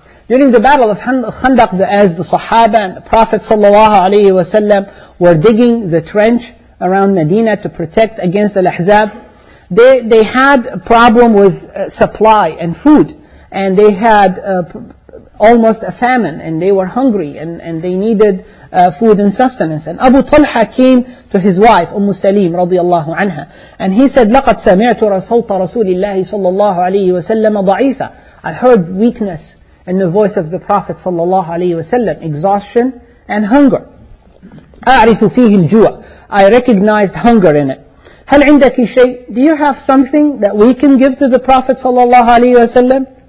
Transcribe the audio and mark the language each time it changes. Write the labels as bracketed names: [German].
[English] During the Battle of Khandaq, as the Sahaba and the Prophet sallallahu alaihi wasallam were digging the trench around Medina to protect against Al-Ahzab, they had a problem with supply and food. And they had almost a famine, and they were hungry, and they needed food and sustenance. And Abu Talha came to his wife, Salim radiallahu anha. And he said, [Arabic] لَقَدْ سَمِعْتُ رَسُولَ رَسُولِ اللَّهِ صَلَّى اللَّهُ عَلَيْهِ وَسَلَّمَ ضَعِيفًا. [English] I heard weakness in the voice of the Prophet sallallahu alayhi wa sallam, exhaustion and hunger. [Arabic] أَعْرِفُ فِيهِ الْجُوعِ. [English] I recognized hunger in it. [Arabic] هَلْ عِنْدَكِ شَيْءٍ. [English] Do you have something that we can give to the Prophet sallallahu alayhi wa sallam?